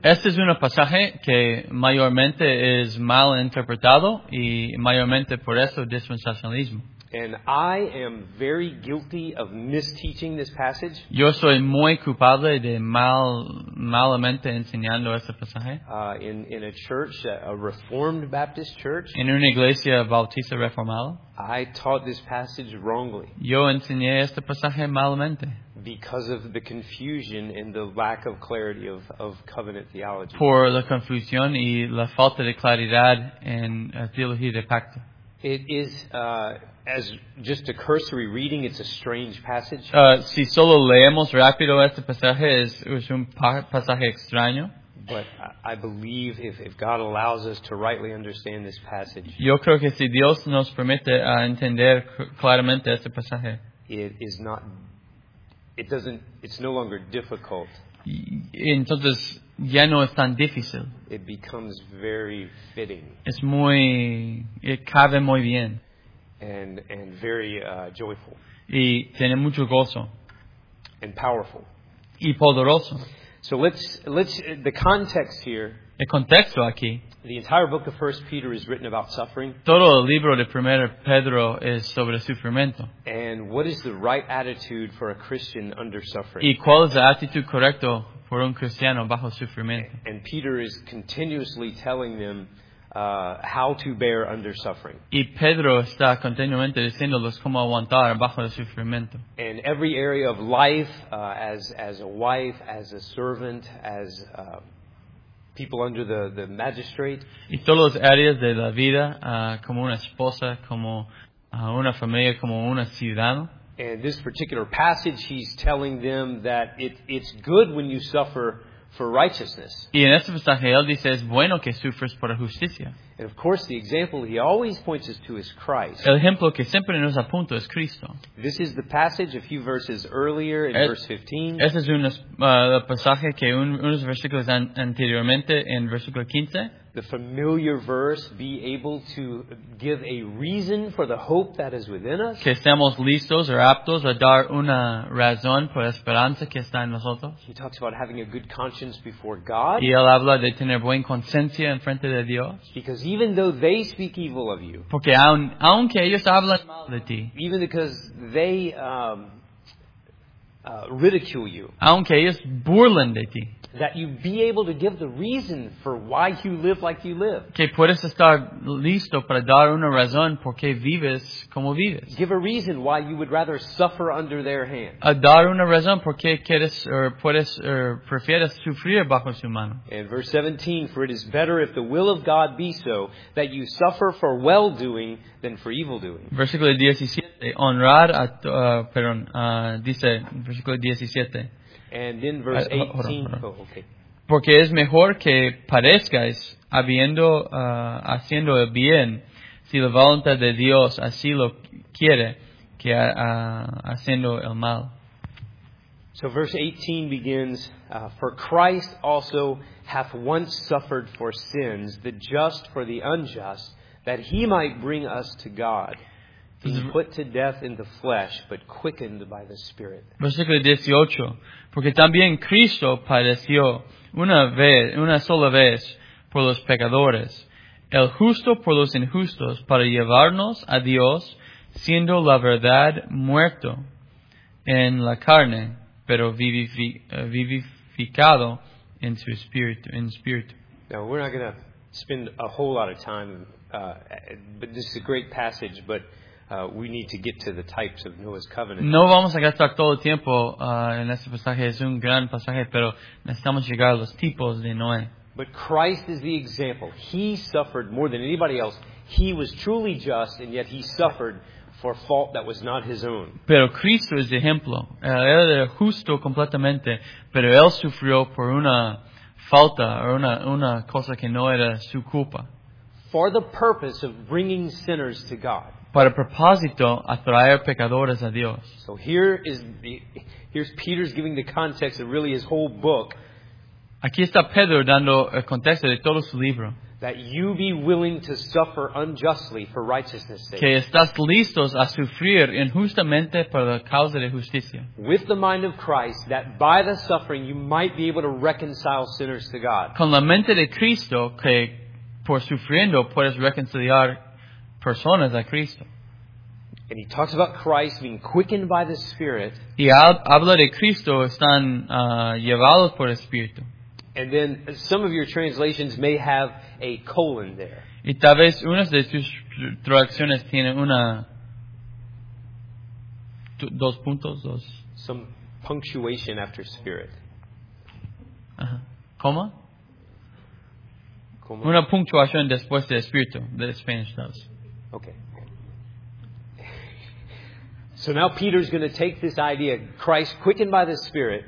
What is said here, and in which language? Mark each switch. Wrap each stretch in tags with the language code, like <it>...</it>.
<es>Este es un pasaje que mayormente es mal interpretado y mayormente por eso dispensacionalismo.</es> <en>And I am very guilty of misteaching this passage.</en> <es>Yo soy muy culpable de malamente enseñando este pasaje.</es> <en>In a church, a Reformed Baptist church.</en> <es>En una iglesia bautista reformada.</es> <en>I taught this passage wrongly.</en> <es>Yo enseñé este pasaje malamente.</es> <en>Because of the confusion and the lack of clarity of covenant theology.</en> <es>Por la confusión y la falta de claridad en teología de pacto.</es> <en>It is, as just a cursory reading, it's a strange passage.</en> <es>Si solo leemos rápido este pasaje, es un pasaje extraño.</es> <en>But I believe if God allows us to rightly understand this passage,</en> <es>yo creo que si Dios nos permite entender claramente este pasaje,</es> <en>it's no longer difficult.</en> <es>Entonces, ya no es tan difícil.</es> <en>It becomes very fitting.</en> <es>Es muy, it cabe muy bien.</es> <en>And very joyful.</en> <es>Y tiene mucho gozo.</es> <en>and powerful.</en> <es>Y poderoso.</es> <en>So let's the context here.</en> <es>El contexto aquí.</es> <en>The entire book of 1 Peter is written about suffering.</en> <es>Todo el libro de 1 Pedro es sobre sufrimiento.</es> <en>And what is the right attitude for a Christian under suffering?</en> <es>¿Y cuál es la actitud correcta por un cristiano bajo sufrimiento?</es> <en>And Peter is continuously telling them how to bear under suffering.</en> <es>Y Pedro está continuamente diciéndoles cómo aguantar bajo el sufrimiento.</es> <en>And every area of life, as a wife, as a servant, as people under the magistrate.</en> <es>Y todas las áreas de la vida, como una esposa, como una familia, como un ciudadano.</es> <en>And this particular passage, he's telling them that it's good when you suffer for righteousness.</en> <es>Y en este pasaje, él dice, es bueno que sufres por justicia.</es> <en>And of course, the example he always points us to is Christ.</en> <es>El ejemplo que siempre nos apunta es Cristo.</es> <en>This is the passage a few verses earlier in verse 15.</en> <es>Este es un pasaje que unos versículos anteriormente en versículo 15.</es> <en>The familiar verse, be able to give a reason for the hope that is within us.</en> <es>Que estemos listos o aptos a dar una razón por la esperanza que está en nosotros.</es> <en>He talks about having a good conscience before God.</en> <es>Y él habla de tener buena conciencia en frente de Dios.</es> <en>Because even though they speak evil of you,</en> <es>porque aunque ellos hablan mal de ti,</es> <en>even because they ridicule you,</en> <es>aunque ellos burlan de ti,</es> <en>that you be able to give the reason for why you live like you live.</en> <es>Que puedes estar listo para dar una razón por qué vives como vives.</es> <en>Give a reason why you would rather suffer under their hand.</en> <es>A dar una razón por qué quieres prefieres sufrir bajo su mano.</es> <en>And verse 17, for it is better if the will of God be so, that you suffer for well-doing than for evil-doing.</en> <es>Versículo 17, honrar a, dice, versículo 17,</es> <en>and then verse 18. Okay.</en> <es>Porque es mejor que parezcáis habiendo haciendo el bien, si la voluntad de Dios así lo quiere, que haciendo el mal.</es> <en>So verse 18 begins, for Christ also hath once suffered for sins, the just for the unjust, that he might bring us to God. He's put to death in the flesh, but quickened by the Spirit.</en> <es>Versículo 18. Porque también Cristo padeció una sola vez por los pecadores, el justo por los injustos, para llevarnos a Dios, siendo la verdad muerto en la carne, pero vivificado en su espíritu.</es> <en>Now, we're not going to spend a whole lot of time, but this is a great passage, but we need to get to the types of Noah's covenant.</en> <es>No vamos a gastar todo el tiempo en este pasaje. Es un gran pasaje, pero necesitamos llegar a los tipos de Noé.</es> <en>But Christ is the example. He suffered more than anybody else. He was truly just, and yet he suffered for fault that was not his own.</en> <es>Pero Cristo es ejemplo. Él era justo completamente, pero él sufrió por una falta o una cosa que no era su culpa.</es> <en>For the purpose of bringing sinners to God.</en> <es>Para propósito, atraer pecadores a Dios.</es> <en>So here's Peter's giving the context of really his whole book.</en> <es>Aquí está Pedro dando el contexto de todo su libro.</es> <en>That you be willing to suffer unjustly for righteousness' sake.</en> <es>Que estás listos a sufrir injustamente por la causa de justicia.</es> <en>With the mind of Christ, that by the suffering you might be able to reconcile sinners to God.</en> <es>Con la mente de Cristo, que por sufriendo puedes reconciliar personas a Cristo.</es> <en>And he talks about Christ being quickened by the Spirit.</en> <es>Y habla de Cristo están llevados por el Espíritu.</es> <en>And then some of your translations may have a colon there.</en> <es>Y tal vez unas de tus traducciones tienen una dos puntos dos.</es> <en>Some punctuation after Spirit.</en> <es>¿Cómo? ¿Cómo? Una punctuación después de Espíritu, de</es> <en>Spanish does. Okay. So now Peter's going to take this idea, Christ quickened by the Spirit.</en>